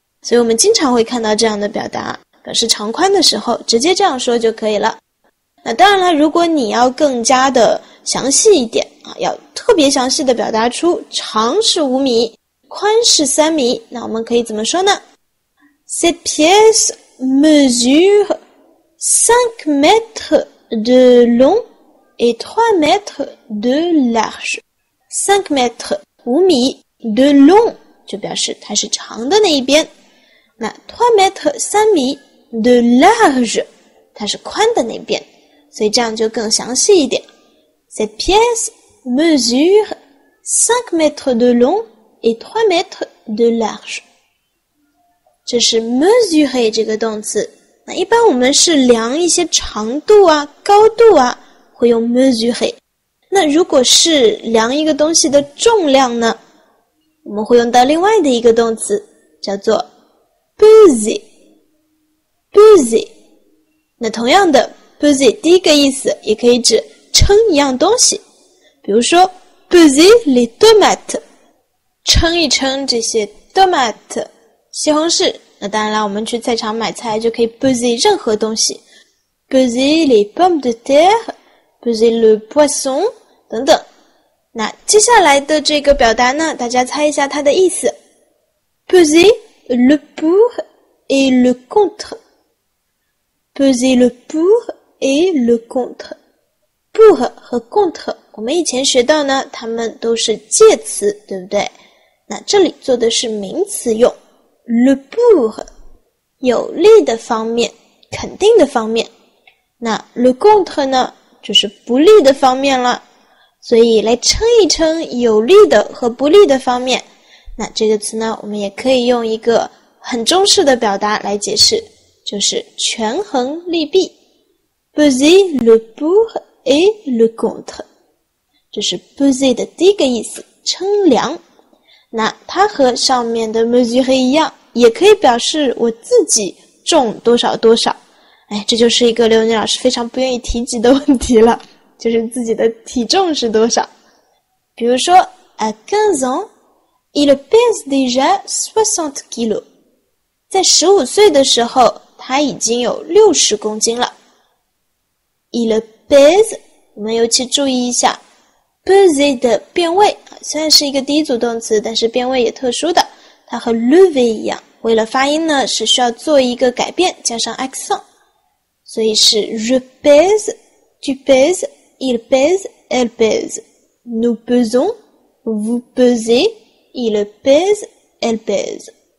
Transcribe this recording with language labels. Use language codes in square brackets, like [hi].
[zh] 所以我们经常会看到这样的表达，表示长宽的时候直接这样说就可以了。那当然了，如果你要更加的详细一点啊，要特别详细的表达出长是五米，宽是3米，那我们可以怎么说呢？ [fr] Cette pièce mesure 5 mètres de long et 3 mètres de large. [zh] 5 mètres 5米 de long 就表示它是长的那一边。那 3 mètres 3米 de large 它是宽的那边，所以这样就更详细一点。 [fr] Cette pièce mesure 5 mètres de long et 3 mètres de large。 [zh] 这是 mesurer 这个动词。那一般我们是量一些长度啊高度啊会用 mesurer。那如果是量一个东西的重量呢，我们会用到另外的一个动词，叫做Pesé，pesé， 那同样的 pesé 第一个意思也可以指称一样东西，比如说 [fr] pesé les tomates， [zh] 称一称这些 tomate 西红柿。那当然了，我们去菜场买菜就可以 pesé 任何东西， [fr] pesé les pommes de terre， pesé le poisson [zh] 等等。那接下来的这个表达呢，大家猜一下它的意思， [fr] pesé le pour et le contre， peser le pour et le contre。 [zh] pour 和 contre 我们以前学到呢，它们都是介词，对不对？那这里做的是名词用。le pour 有利的方面，肯定的方面。那 le contre 呢，就是不利的方面了。所以来称一称有利的和不利的方面，那这个词呢，我们也可以用一个很中式的表达来解释，就是权衡利弊。 [fr] Peser le pour et le contre， [zh] 这是 peser 的第一个意思，称量。那它和上面的 mesurer 一样，也可以表示我自己重多少多少。哎，这就是一个刘妮老师非常不愿意提及的问题了，就是自己的体重是多少。比如说 [fr] à 15 ans。Il pèse déjà 60 kilos. [zh] 在15岁的时候，他已经有60公斤了。 [fr] Il pèse， [zh] 我们尤其注意一下 pèse 的变位，虽然是一个第一组动词，但是变位也特殊的，它和 lever 一样，为了发音呢，是需要做一个改变，加上 accent，所以是 [fr] je pèse, tu pèses, il pèse, elle pèse, nous pesons, vous pesez, il pèse, elle pèse.